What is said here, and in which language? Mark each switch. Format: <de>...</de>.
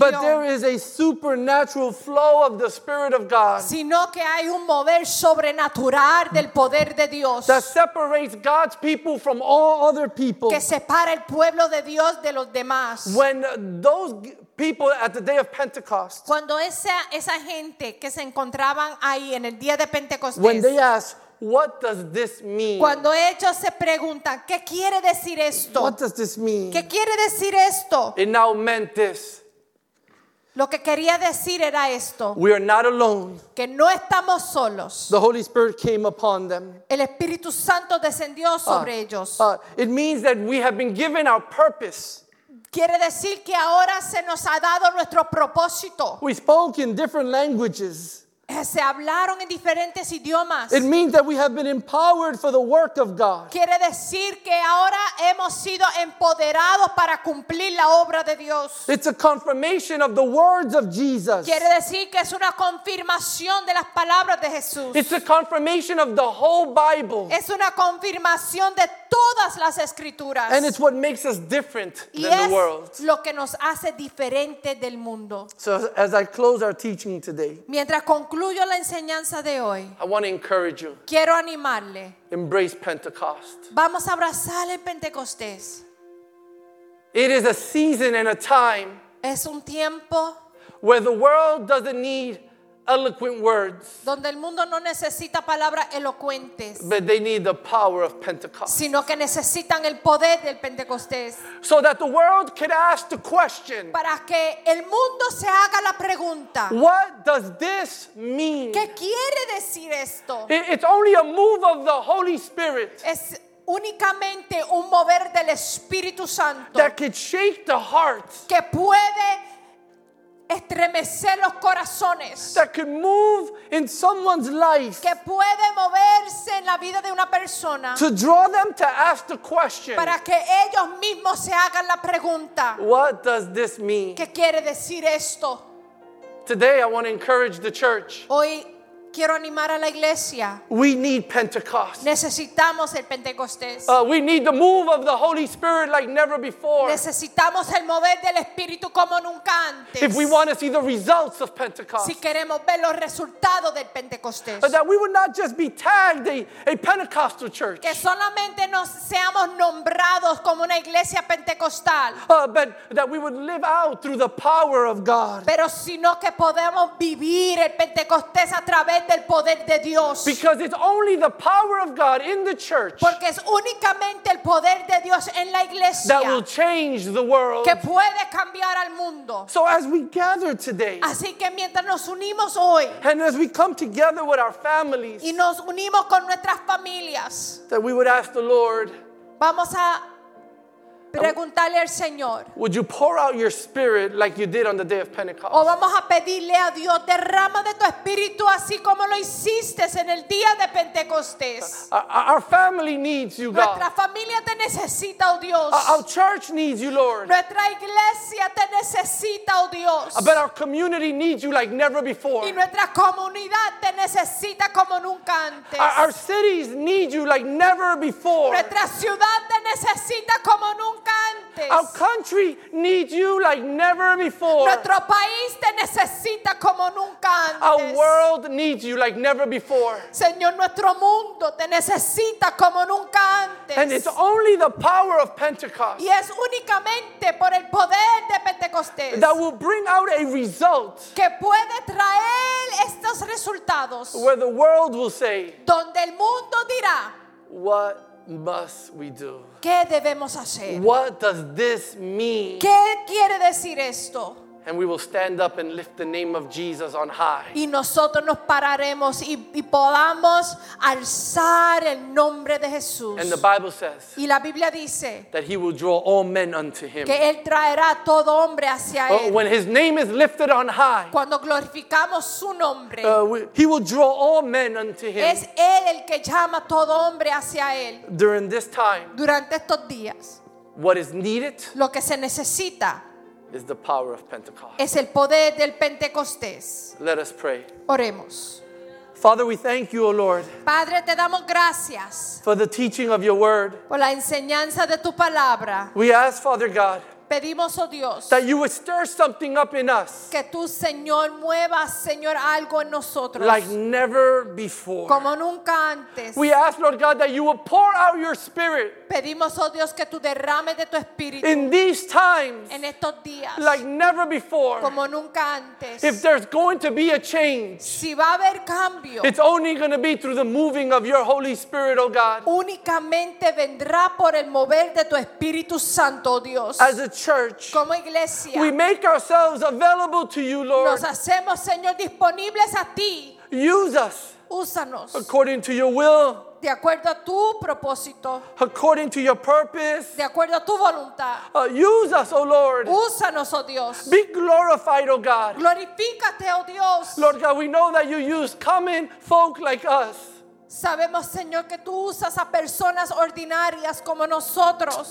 <en>But there is a supernatural flow of the Spirit of God.</en> <es>Sino que hay un mover sobrenatural del poder de Dios.</es> <en>That separates God's people from all other people.</en> <es>Que separa el pueblo de Dios de los demás.</es> <en>When those people at the day of Pentecost.</en> <es>Cuando esa gente que se encontraban ahí en el día de Pentecostés.</es> <en>When they asked, what does this mean?</en> <es>Cuando ellos se preguntan, ¿qué quiere decir esto?</es> <en>What does this mean?</en> <es>¿Qué quiere decir esto?</es> <en>It now meant this.</en> <es>Lo que quería decir era esto.</es> <en>We are not alone.</en> <es>Que no estamos solos.</es> <en>The Holy Spirit came upon them.</en> <es>El Espíritu Santo descendió sobre ellos.</es> <en>It means that we have been given our purpose.</en> <es>Quiere decir que ahora se nos ha dado nuestro propósito.</es> <en>We spoke in different languages.</en> <es>Se hablaron en diferentes idiomas.</es> <en>It means that we have been empowered for the work of God.</en> <es>Quiere decir que ahora hemos sido empoderados para cumplir la obra de Dios.</es> <en>It's a confirmation of the words of Jesus.</en> <es>Quiere decir que es una confirmación de las palabras de Jesús.</es> <en>It's a confirmation of the whole Bible.</en> <es>Es una confirmación de todas las escrituras.</es> <en>And it's what makes us different than the world.</en> <es>Y es lo que nos hace diferente del mundo.</es> <en>So as I close our teaching today.</en> <es>Mientras concluyo la enseñanza de hoy.</es> <en>I want to encourage you.</en> <es>Quiero animarle.</es> <en>Embrace Pentecost.</en> <es>Vamos a abrazar el Pentecostés.</es> <en>It is a season and a time.</en> <es>Es un tiempo.</es> <en>Where the world doesn't need eloquent words.</en> <es>Donde el mundo no necesita palabras elocuentes.</es> <en>But they need the power of Pentecost.</en> <es>Sino que necesitan el poder del Pentecostés.</es> <en>So that the world can ask the question.</en> <es>Para que el mundo se haga la pregunta.</es> <en>What does this mean?</en> <es>¿Qué quiere decir esto?</es> <en>It's only a move of the Holy Spirit.</en> <es>Es únicamente un mover del Espíritu Santo.</es> <en>That can shake the hearts.</en> <es>Que puede estremecer los corazones.</es> <en>That can move in someone's life.</en> <es>Que puede moverse en la vida de una persona.</es> <en>To draw them to ask the question.</en> <es>Para que ellos mismos se hagan la pregunta.</es> <en>What does this mean?</en> <es>¿Qué quiere decir esto?</es> <en>Today I want to encourage the church.</en> <es>Hoy quiero animar a la iglesia.</es> <en>We need Pentecost.</en> <es>Necesitamos el Pentecostés.</es> <en>We need the move of the Holy Spirit like never before.</en> <es>Necesitamos el mover del Espíritu como nunca antes.</es> <en>If we want to see the results of Pentecost.</en> <es>Si queremos ver los resultados del Pentecostés.</es> <en>But that we would not just be tagged a Pentecostal church.</en> <es>Que solamente nos seamos nombrados como una iglesia pentecostal.</es> <en>But that we would live out through the power of God.</en> <es>Pero sino que podamos vivir el Pentecostés a través del poder de Dios.</es> <en>Because it's only the power of God in the church.</en> <es>Porque es únicamente el poder de Dios en la iglesia.</es> <en>That will change the world.</en> <es>Que puede cambiar al mundo.</es> <en>So as we gather today.</en> <es>Así que mientras nos unimos hoy.</es> <en>And as we come together with our families.</en> <es>Y nos unimos con nuestras familias.</es> <en>That we would ask the Lord.</en> <es>Vamos a preguntarle al Señor.</es> <en>Would you pour out your spirit like you did on the day of Pentecost?</en> <es>O vamos a pedirle a Dios, derrama de tu espíritu así como lo hiciste en el día de Pentecostés.</es> <en>Our family needs you,</en> <es>nuestra</es> <en>God.</en> <es>Nuestra familia te necesita, oh Dios.</es> <en>Our church needs you, Lord.</en> <es>Nuestra iglesia te necesita, oh Dios.</es> <en>But our community needs you like never before.</en> <es>Y nuestra comunidad te necesita como nunca antes.</es> <en>Our cities need you like never before.</en> <es>Nuestra ciudad te necesita como nunca.</es> <en>Our country needs you like never before.</en> <es>Nuestro país te necesita como nunca antes.</es> <en>Our world needs you like never before.</en> <es>Señor, nuestro mundo te necesita como nunca antes.</es> <en>And it's only the power of Pentecost.</en> <es>Y es únicamente por el poder de Pentecostés.</es> <en>That will bring out a result.</en> <es>Que puede traer estos resultados.</es> <en>Where the world will say.</en> <es>Donde el mundo dirá.</es> <en>What must we do?</en> <es>¿Qué debemos hacer?</es> <en>What does this mean?</en> <es>¿Qué quiere decir esto?</es> <en>And we will stand up and lift the name of Jesus on high.</en> <es>Y nosotros nos pararemos y podamos alzar el nombre de Jesús.</es> <en>And the Bible says.</en> <es>Y la Biblia dice.</es> <en>That he will draw all men unto him.</en> <es>Que él traerá todo hombre hacia él.</es> <en>When his name is lifted on high.</en> <es>Cuando glorificamos su nombre.</es> <en>He will draw all men unto him.</en> <es>Es él el que llama todo hombre hacia él.</es> <en>During this time.</en> <es>Durante estos días.</es> <en>What is needed.</en> <es>Lo que se necesita.</es> <en>Is the power of Pentecost.</en> <es>Es el poder del Pentecostés.</es> <en>Let us pray.</en> <es>Oremos.</es> <en>Father, we thank you, O Lord.</en> <es>Padre, te damos gracias.</es> <en>For the teaching of your word.</en> <es>Por la enseñanza de tu palabra.</es> <en>We ask, Father God.</en> <es>Pedimos, oh Dios,</es> <en>that you would stir something up in us.</en> <es>Que tú, Señor, muevas, Señor, algo en nosotros.</es> <en>Like never before.</en> <es>Como nunca antes.</es> <en>We ask, Lord God, that you would pour out your spirit.</en> <es>Pedimos, oh Dios, que tú derrames de tu espíritu.</es> <en>In these times.</en> <es>En estos días.</es> <en>Like never before.</en> <es>Como nunca antes.</es> <en>If there's going to be a change.</en> <es>Si va a haber cambio.</es> <en>It's only going to be through the moving of your Holy Spirit, oh God.</en> <es>Únicamente vendrá por el mover de tu Espíritu Santo, oh Dios.</es> <en>As a church.</en> <es>Como iglesia.</es> <en>We make ourselves available to you, Lord.</en> <es>Nos hacemos, Señor, disponibles a ti.</es> <en>Use us.</en> <es>Úsanos.</es> <en>According to your will.</en> <es>de acuerdo a tu propósito.</es> <en>According to your purpose.</en> <es>De acuerdo a tu voluntad.</es> <en>Use us, oh Lord.</en> <es>Úsanos, oh Dios.</es> <en>Be glorified, oh God.</en> <es>Glorifícate, oh Dios.</es> <en>Lord God, we know that you use common folk like us.</en> <es>Sabemos, Señor, que tú usas a personas ordinarias como nosotros.</es>